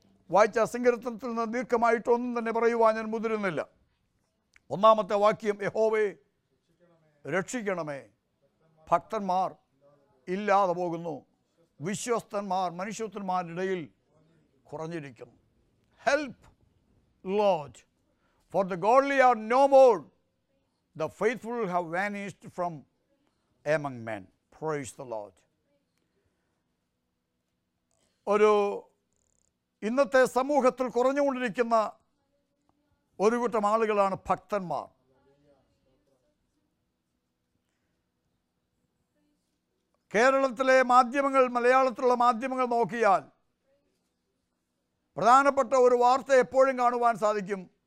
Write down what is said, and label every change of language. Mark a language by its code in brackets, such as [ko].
[ml] വായിച്ച സങ്കീർത്തനത്തിൽ നിന്ന് ദീർഘമായിട്ടൊന്നും തന്നെ പറയുവാൻ ഞാൻ മുതിരുന്നില്ല. ഒന്നാമത്തെ വാക്യം, യഹോവേ രക്ഷിക്കണമേ, ഭക്തന്മാർ ഇല്ലാതെ പോകുന്നു, വിശ്വസ്തന്മാർ മനുഷ്യത്വന്മാരുടെയിൽ കുറഞ്ഞിരിക്കുന്നു. [en] Help Lord, for the godly are no more, the faithful have vanished from among men. Praise the Lord. [ml] ഒരു ഇന്നത്തെ സമൂഹത്തിൽ കുറഞ്ഞുകൊണ്ടിരിക്കുന്ന ഒരു കൂട്ടം ആളുകളാണ് ഭക്തന്മാർ. കേരളത്തിലെ മാധ്യമങ്ങൾ, മലയാളത്തിലുള്ള മാധ്യമങ്ങൾ നോക്കിയാൽ പ്രധാനപ്പെട്ട ഒരു വാർത്ത എപ്പോഴും കാണുവാൻ സാധിക്കും.